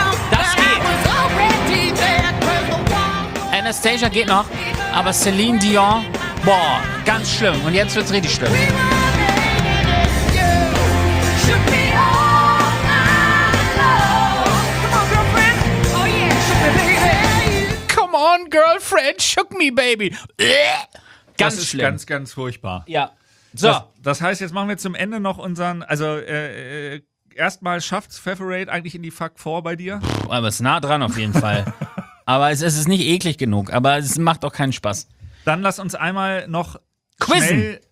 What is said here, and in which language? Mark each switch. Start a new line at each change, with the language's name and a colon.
German: Das geht. Anastasia geht noch, aber Celine Dion, boah, ganz schlimm. Und jetzt wird's richtig schlimm.
English: Come on, girlfriend, shook me, baby.
German: Ganz das ist schlimm. Ganz, ganz furchtbar. Ja. So. Das heißt, jetzt machen wir zum Ende noch unseren, also erstmal schafft's Favorite eigentlich in die Fuck Four bei dir? Puh, aber es ist nah dran auf jeden Fall. Aber es ist nicht eklig genug, aber es macht auch keinen Spaß. Dann lass uns einmal noch quizzen.